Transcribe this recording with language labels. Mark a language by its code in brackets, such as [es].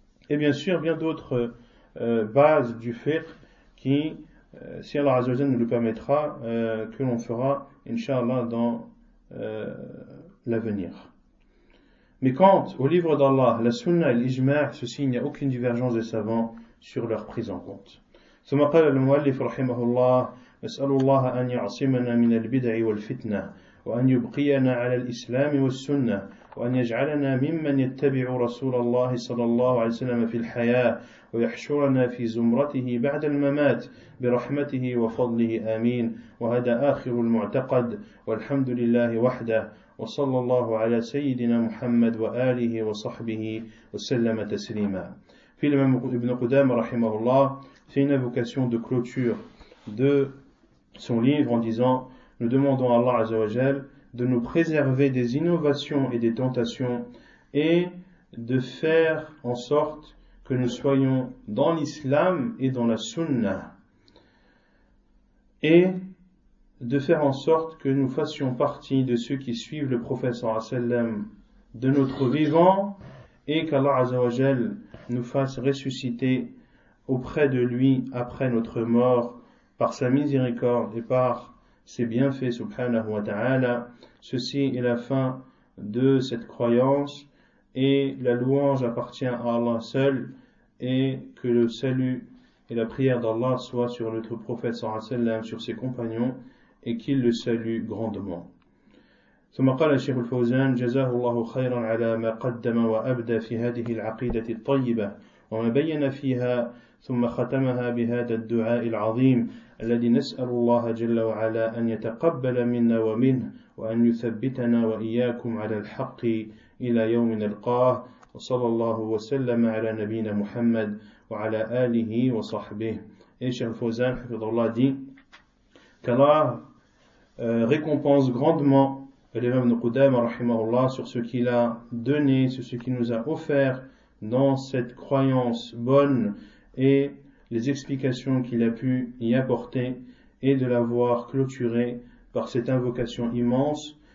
[fr] Et bien sûr, bien d'autres bases du fiqh qui, si Allah Azza wa Jalla nous le permettra, que l'on fera, Inch'Allah, dans l'avenir. Mais quant au livre d'Allah, la sunna et l'ijma', ceci, il n'y a aucune divergence des savants sur leur prise en compte. [ar] ثم قال المؤلف رحمه الله نسأل الله أن يعصمنا من البدع والفتنة وأن يبقينا على الإسلام والسنة وأن يجعلنا ممن يتبع رسول الله صلى الله عليه وسلم في الحياة ويحشرنا في زمرته بعد الممات برحمته وفضله آمين وهذا آخر المعتقد والحمد لله وحده وصلى الله على سيدنا محمد وآله وصحبه وسلم تسليما. في الإمام ابن قدامة رحمه الله [fr] fait une invocation de clôture de son livre en disant « Nous demandons à Allah Azzawajal de nous préserver des innovations et des tentations et de faire en sorte que nous soyons dans l'islam et dans la sunna et de faire en sorte que nous fassions partie de ceux qui suivent le prophète sallallahu alayhi wa sallam de notre vivant et qu'Allah Azzawajal nous fasse ressusciter auprès de lui après notre mort par sa miséricorde et par ses bienfaits, subhanahu wa ta'ala. Ceci est la fin de cette croyance et la louange appartient à Allah seul et que le salut et la prière d'Allah soit sur notre prophète sallallahu alayhi wa sallam, sur ses compagnons et qu'il le salue grandement. [ar] ثم قال الشيخ الفوزان جزاه الله خيرا على ما قدم وأبدى في هذه العقيدة الطيبة وما بين فيها ثم ختمها بهذا الدعاء العظيم الذي نسأل الله جل وعلا أن يتقبل منا ومنه وأن يثبتنا وإياكم على الحق إلى يوم نلقاه وصلى الله وسلم على نبينا محمد وعلى آله وصحبه. الشيخ الفوزان حفظ الله [fr] دي كالله récompense grandement l'imam Nuqudama rahimahullah sur ce qu'il a donné, sur ce qu'il nous a offert dans cette croyance bonne et les explications qu'il a pu y apporter et de l'avoir clôturé par cette invocation immense.